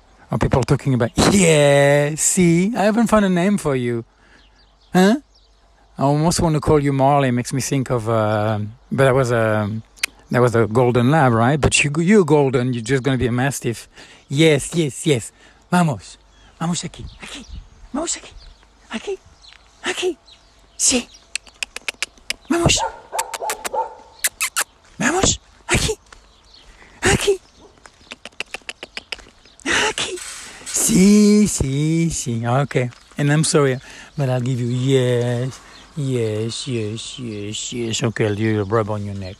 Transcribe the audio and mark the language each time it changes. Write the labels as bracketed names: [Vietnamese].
[English] Or people talking about, yeah, see, I haven't found a name for you, huh? I almost want to call you Marley. Makes me think of, but that was a golden lab, right? But you're golden. You're just going to be a mastiff. Yes, yes, yes. [Spanish] Vamos, vamos aquí, aquí, vamos aquí, aquí, aquí. Sí. Vamos, vamos aquí, aquí, aquí. Sí, sí, sí. Okay. [English] And I'm sorry, but I'll give you yes. Yes, yes, yes, yes. Okay, I'll do your rub on your neck.